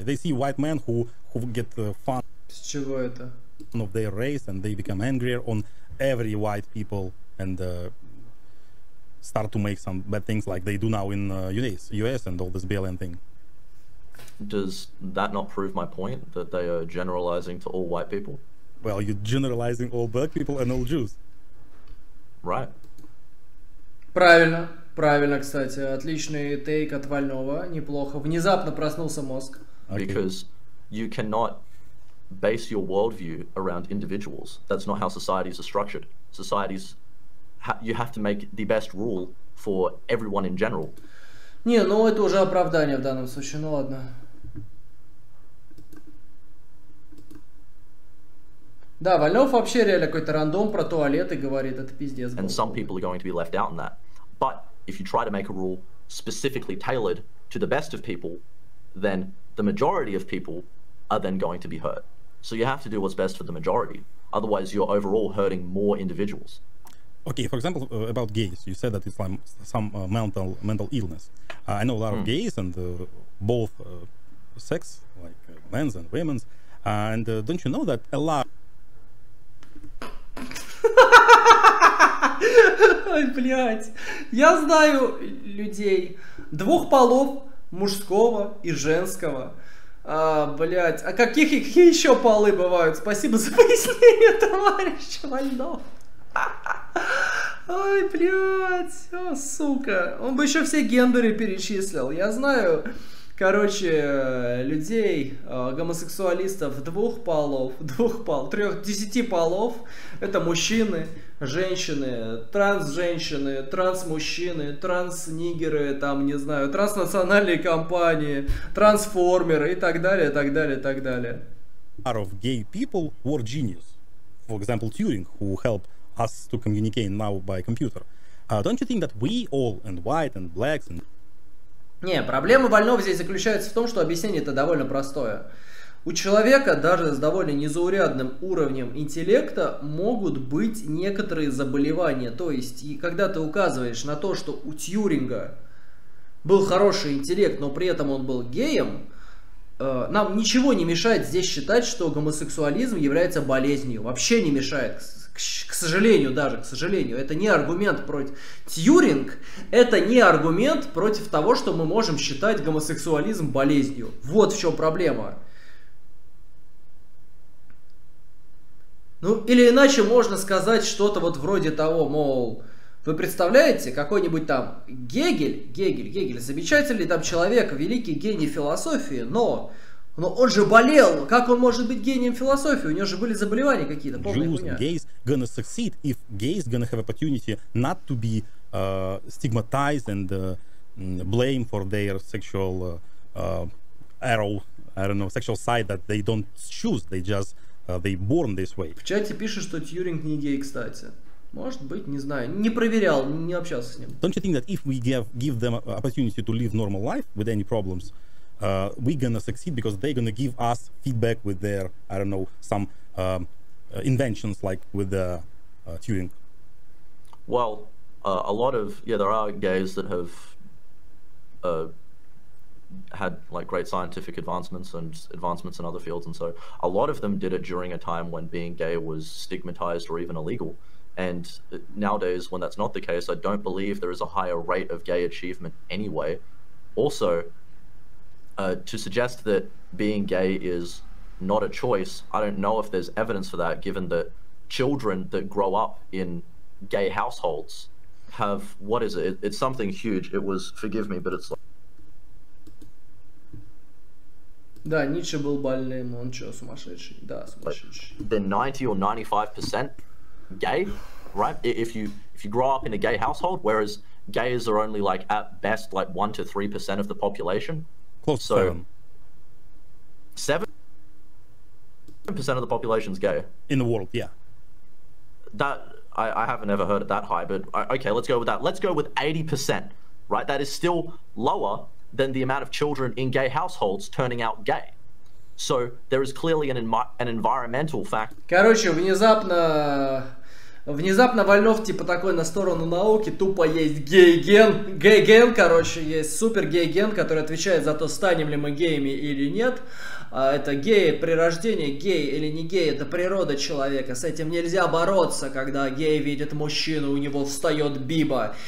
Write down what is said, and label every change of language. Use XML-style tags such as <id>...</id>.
<en>They see white men who get fun of their race, and they become angrier on every white people, and start to make some bad things like they do now in US and all this BLM thing. Does that not prove my point that they are generalizing to all white people? Well, you're generalizing all black people and all Jews. Right.</en> <ru>Правильно, правильно, кстати. Отличный тейк от Вального, неплохо. Внезапно проснулся мозг.</ru> <en>Because you cannot base your worldview around individuals. That's not how societies are structured. Societies, you have to make the best rule for everyone in general.</en> <ru>Не, ну это уже оправдание в данном случае, ну ладно. Да, Вальнов вообще реально какой-то рандом про туалеты говорит, это пиздец.</ru> <en>And some people are going to be left out in that. But if you try to make a rule specifically tailored to the best of people, then the majority of people are then going to be hurt. So you have to do what's best for the majority. Otherwise, you're overall hurting more individuals. Okay, for example, about gays, you said that it's like some mental illness. I know a lot of gays and both sex, like men's and women's, and don't you know that a lot...</en> <ru>Ой, блядь, я знаю людей двух полов, мужского и женского. А, блядь, а каких еще полы бывают? Спасибо за пояснение, товарищ Вальнов. Ой, блядь, о, сука. Он бы еще все гендеры перечислил. Я знаю, короче, людей, гомосексуалистов двух полов, десяти полов. Это мужчины, женщины, транс-женщины, транс-мужчины, транс-нигеры, там, не знаю, транснациональные компании, трансформеры и так далее, так далее, так далее.</ru> <en>Out of gay people were genius. For example, Turing, who helped us to communicate now by computer. Don't you think that we all, and white, and blacks, and...</en> <ru>Не, проблема Вальнова здесь заключается в том, что объяснение это довольно простое. У человека даже с довольно незаурядным уровнем интеллекта могут быть некоторые заболевания. То есть, и когда ты указываешь на то, что у Тьюринга был хороший интеллект, но при этом он был геем, нам ничего не мешает здесь считать, что гомосексуализм является болезнью. Вообще не мешает, к сожалению, даже, к сожалению. Это не аргумент против... Тьюринг – это не аргумент против того, что мы можем считать гомосексуализм болезнью. Вот в чем проблема. Ну, или иначе можно сказать что-то вот вроде того, мол, вы представляете, какой-нибудь там Гегель, замечательный там человек, великий гений философии, но он же болел, как он может быть гением философии, у него же были заболевания какие-то, полная хуйня.</ru> <en>Jews and gays gonna succeed if gays gonna have opportunity not to be stigmatized and blamed for their sexual sexual side that they don't choose, they just... they born this way.</en> <ru>В чате пишет, что Тьюринг не гей, кстати. Может быть, не знаю, не проверял, не общался с ним.</ru> <en>Don't you think that if we give them opportunity to live normal life with any problems, we're gonna succeed because they're gonna give us feedback with their, I don't know, some inventions like with the Тьюринг? Well, a lot of, yeah, there are gays that have had like great scientific advancements and advancements in other fields, and so a lot of them did it during a time when being gay was stigmatized or even illegal. And nowadays, when that's not the case, I don't believe there is a higher rate of gay achievement anyway. Also, to suggest that being gay is not a choice, I don't know if there's evidence for that, given that children that grow up in gay households have, what is it? It's something huge. It was, forgive me, but it's like...</en> <ru>Да, Ницше был больным, он что, сумасшедший? Да, сумасшедший.</ru> <en>Then 90 or 95% gay, right? If you grow up in a gay household, whereas gays are only like at best like 1 to 3% of the population. Close to 7. 7% of the population is gay. In the world, yeah. That, I haven't ever heard it that high, but okay, let's go with that. Let's go with 80%, right? That is still lower than the amount of children in gay households turning out gay. So there is clearly an environmental fact.</en> <ru>Короче, внезапно Вальнов типа такой на сторону науки, тупо есть гей-ген, короче, есть супер гей-ген, который отвечает за то, станем ли мы геями или нет. это геи при рождении, гей или не гей, это природа человека. С этим нельзя бороться, когда гей видит мужчину, у него встает биба.</ru>